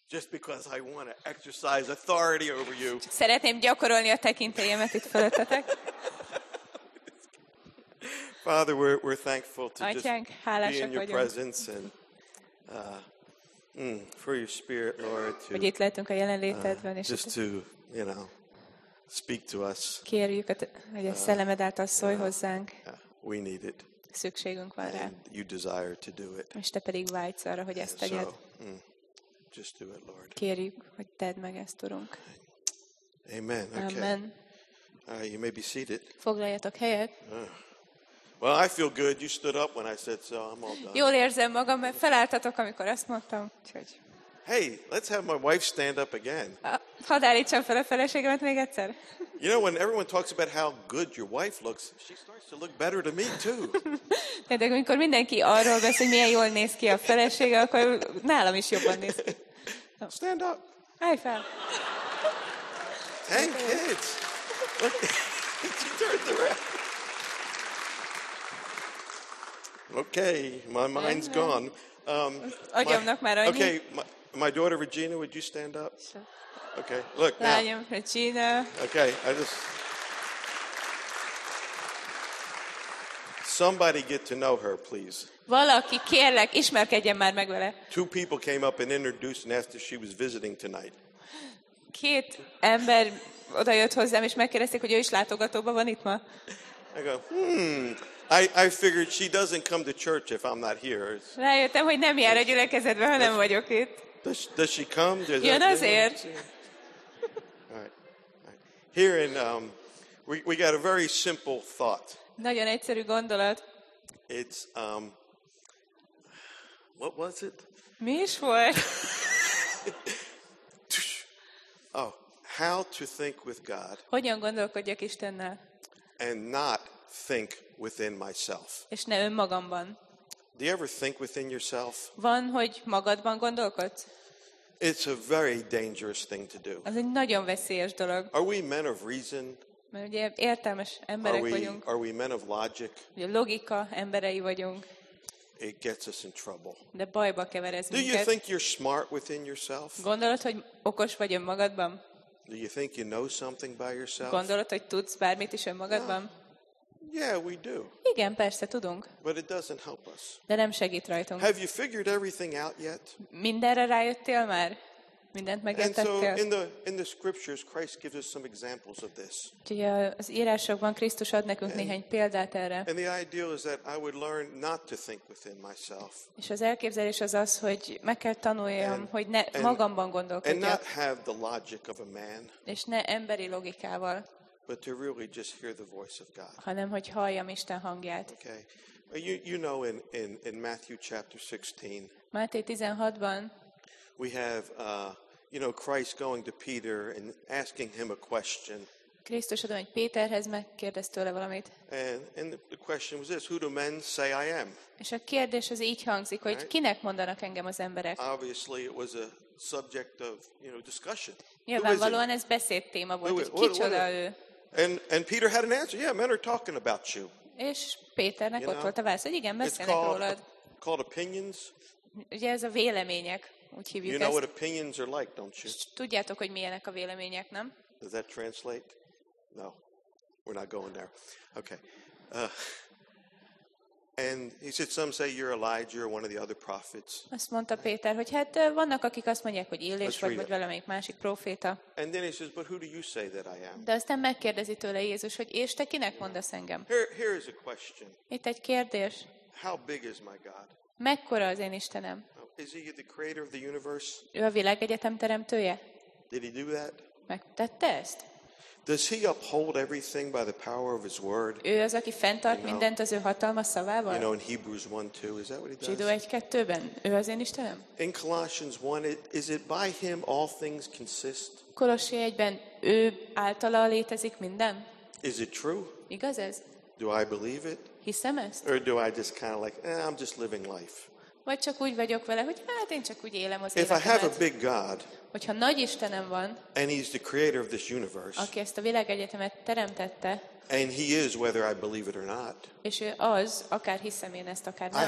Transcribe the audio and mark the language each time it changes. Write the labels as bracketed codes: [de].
[en] Just because I want to exercise authority over you. [hu] Szeretném gyakorolni a tekintélyemet itt fölöttetek. [en] Father, we're thankful to Atyánk, just be in your presence and for your spirit, Lord, to [hu] hogy itt lehetünk a jelenlétedben, és [en] just to, you know, speak to us. [hu] Kérjük, hogy a szellemed által szólj hozzánk. [en] We need it. [hu] Szükségünk van rá. [en] You desire to do it. [hu] És te pedig vágysz arra, hogy ezt tegyed. [en] So, just do it, Lord. [hu] Kérjük, hogy tedd meg ezt, Urunk. [en] Amen. Okay. [hu] Amen. [en] You may be seated. [hu] Foglaljatok helyet. [en] Well, I feel good. You stood up when I said so. I'm all done. [hu] Jól érzem magam, mert felálltatok, amikor ezt mondtam. Úgyhogy. [en] Hey, let's have my wife stand up again. [hu] Hadd állítsam fel a feleségemet még egyszer. [en] You know, when everyone talks about how good your wife looks, she starts to look better to me too. [hu] De amikor mindenki arról beszél, hogy milyen jól néz ki a felesége, akkor nálam is jobban néz ki. [en] Stand up. [hu] Állj fel. [en] 10 kids. She turned around. Okay, my mind's gone. [hu] Agyamnak már annyi. [en] Okay, my daughter Regina, would you stand up? Okay, look now. [hu] Lányom Regina. [en] Okay, somebody get to know her, please. [hu] Valaki, kérlek, ismerkedjen már meg vele. [en] Two people came up and introduced and asked if she was visiting tonight. [hu] Két ember odajött hozzám, és megkérdezték, hogy ő is látogatóban van itt ma. [en] I go, I figured she doesn't come to church if I'm not here. [hu] Rájöttem, hogy nem jár a gyülekezetbe, ha nem vagyok itt. [en] Does she come? [hu] Jön azért. [en] All right. All right. Here in we got a very simple thought. [hu] Nagyon egyszerű gondolat. [en] It's what was it? [hu] Mi is volt? [en] Oh, how to think with God. [hu] Hogyan gondolkodjak Istennel? [en] And not think within myself. [hu] És ne önmagamban. [en] Do you ever think within yourself? [hu] Van, hogy magadban gondolkodsz? [en] It's a very dangerous thing to do. [hu] Ez egy nagyon veszélyes dolog. [en] Are we men of reason? [hu] Mert ugye értelmes emberek vagyunk. [en] Are we men of logic? [hu] Ugye logika emberei vagyunk. [en] It gets us in trouble. [hu] De bajba kever ez minket. [en] Do you think you're smart within yourself? [hu] Gondolod, hogy okos vagy önmagadban? [en] Do you think you know something by yourself? [hu] Gondolod, hogy tudsz bármit is önmagadban? [en] Yeah, we do. [hu] Igen, persze tudunk. [en] But it doesn't help us. [hu] De nem segít rajtunk. [en] Have you figured everything out yet? [hu] Mindenre rájöttél már? Mindent megértettél? [en] And so in the scriptures Christ gives us some examples of this. [hu] Az írásokban Krisztus ad nekünk néhány példát erre. [en] And the idea is that I would learn not to think within myself. [hu] És az elképzelés az, hogy meg kell tanuljam, hogy ne magamban gondolkodjak. [en] And not have the logic of a man. [hu] És ne emberi logikával. [en] But to really just hear the voice of God. [hu] Hanem hogy halljam Isten hangját. [en] Okay. You know in Matthew chapter 16. [hu] Máté 16-ban [en] we have Christ going to Peter and asking him a question. [hu] Krisztus oda megy Péterhez, megkérdez tőle valamit. [en] And the question was this, who do men say I am? [hu] És a kérdés az így hangzik, hogy kinek mondanak engem az emberek? [en] Obviously it was a subject of, discussion. [hu] Nyilvánvalóan ez beszédtéma volt, hogy kicsoda ő. [en] And Peter had an answer. Yeah, men are talking about you. [hu] És Péternek ott volt a válasz, hogy igen, beszélnek rólad. [en] It's called opinions. [hu] Ugye ez a vélemények, úgy hívjuk ezt. [en] You know what opinions are like, don't you? [hu] Tudjátok, hogy milyenek a vélemények, nem? [en] Does that translate? No, we're not going there. Okay. And he said, some say you're Elijah or one of the other prophets. [hu] Azt mondta Péter, hogy hát vannak, akik azt mondják, hogy Illés vagy valamelyik másik proféta. [en] And then he says, but who do you say that I am? [hu] De aztán megkérdezi tőle Jézus, hogy és te kinek mondasz engem? [en] Here is a question. [hu] Itt egy kérdés. [en] How big is my God? [hu] Mekkora az én Istenem? [en] Is he the creator of the universe? [hu] Ő a világegyetem teremtője? [en] Did he do that? [hu] Megtette ezt? [en] Does he uphold everything by the power of his word? [hu] Ő az, aki fenntart mindent az ő hatalmas szavával. [en] You know, in Hebrews 1:2, is that what he does? [hu] Zsidó 1:2-ben, ő az én Istenem. [en] In Colossians 1, is it by him all things consist? [hu] Kolossé 1-ben, ő általa létezik minden. [en] Is it true? [hu] Igaz ez? [en] Do I believe it? [hu] Hiszem ezt? [en] Or do I just kind of like, I'm just living life? [hu] Vagy csak úgy vagyok vele, hogy hát én csak úgy élem az életemet. [en] If I have a big God, [hu] hogyha nagy Istenem van, [en] and he's the creator of this universe, [hu] aki ezt a világegyetemet teremtette, [en] and he is whether I believe it or not, [hu] és ő az, akár hiszem én ezt, akár nem,